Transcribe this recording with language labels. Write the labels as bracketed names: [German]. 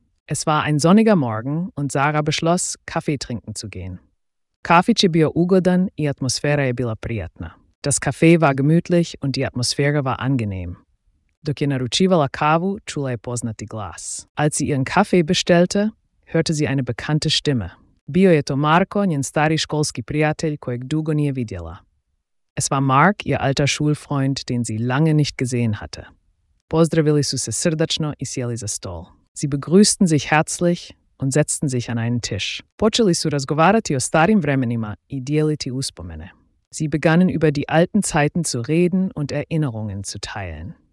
[German] Es war ein sonniger Morgen und Sara beschloss, Kaffee trinken zu gehen. [Croatian] Kafić je bio ugodan i atmosfera je bila prijatna. [German] Das Café war gemütlich und die Atmosphäre war angenehm. [Croatian] Dok je naručivala kavu, čula je poznati glas. [German] Als sie ihren Kaffee bestellte, hörte sie eine bekannte Stimme. [Croatian] Bio je to Marko, njen stari školski prijatelj, kojeg dugo nije vidjela. [German] Es war Mark, ihr alter Schulfreund, den sie lange nicht gesehen hatte. [Croatian] Pozdravili su se srdačno i sjeli za stol. [German] Sie begrüßten sich herzlich und setzten sich an einen Tisch. [Croatian] Počeli su razgovarati o starim vremenima i dijeliti uspomene. [German] Sie begannen über die alten Zeiten zu reden und Erinnerungen zu teilen.